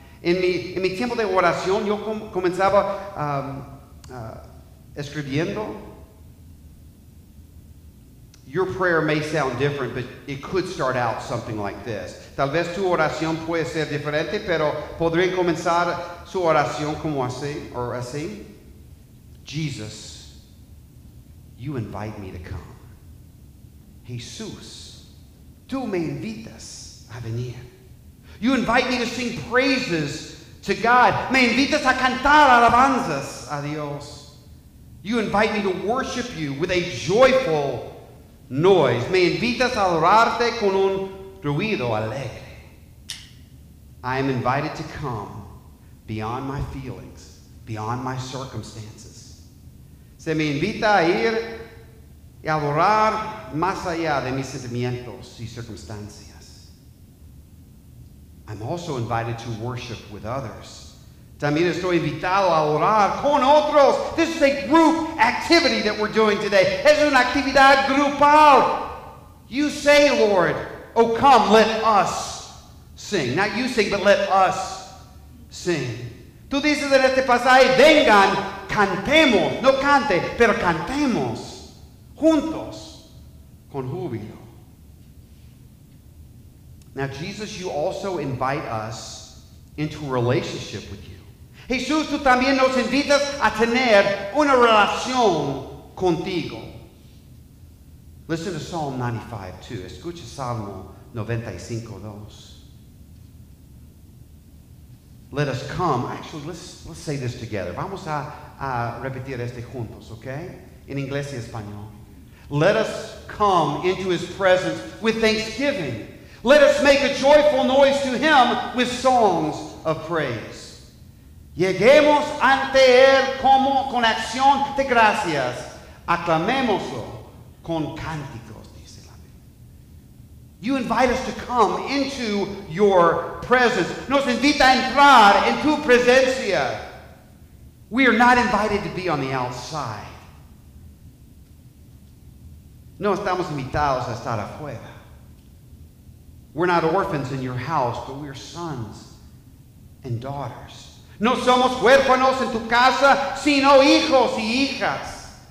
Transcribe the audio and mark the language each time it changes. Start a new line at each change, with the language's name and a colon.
Spanish: En mi tiempo de oración, yo comenzaba escribiendo.
English: Your prayer may sound different, but it could start out something like this.
Spanish: Tal vez tu oración puede ser diferente, pero podrían comenzar su oración como así, or así.
English: Jesus, you invite me to come.
Spanish: Jesús, tú me invitas a venir.
English: You invite me to sing praises to God.
Spanish: Me invitas a cantar alabanzas a Dios.
English: You invite me to worship you with a joyful noise.
Spanish: Me invitas a adorarte con un ruido alegre.
English: I am invited to come beyond my feelings, beyond my circumstances.
Spanish: Se me invita a ir y a adorar más allá de mis sentimientos y circunstancias.
English: I'm also invited to worship with others.
Spanish: También estoy invitado a adorar con otros.
English: This is a group activity that we're doing today.
Spanish: Es una actividad grupal.
English: You say, Lord, oh come, let us sing. Not you sing, but let us sing.
Spanish: Tú dices en este pasaje, vengan, cantemos, no cante, pero cantemos juntos con júbilo.
English: Now, Jesus, you also invite us into a relationship with you.
Spanish: Jesús, tú también nos invitas a tener una relación contigo.
English: Listen to Psalm 95:2.
Spanish: Escucha Salmo 95:2.
English: Let us come. Actually, let's say this together.
Spanish: Vamos a repetir este juntos,
English: okay?
Spanish: In inglés y español.
English: Let us come into his presence with thanksgiving. Let us make a joyful noise to him with songs of praise.
Spanish: Lleguemos ante él como con acción de gracias. Aclamémoslo con cánticos, dice la Biblia.
English: You invite us to come into your presence.
Spanish: Nos invita a entrar en tu presencia.
English: We are not invited to be on the outside.
Spanish: No estamos invitados a estar afuera.
English: We're not orphans in your house, but we're sons and daughters.
Spanish: No somos huérfanos en tu casa, sino hijos y hijas.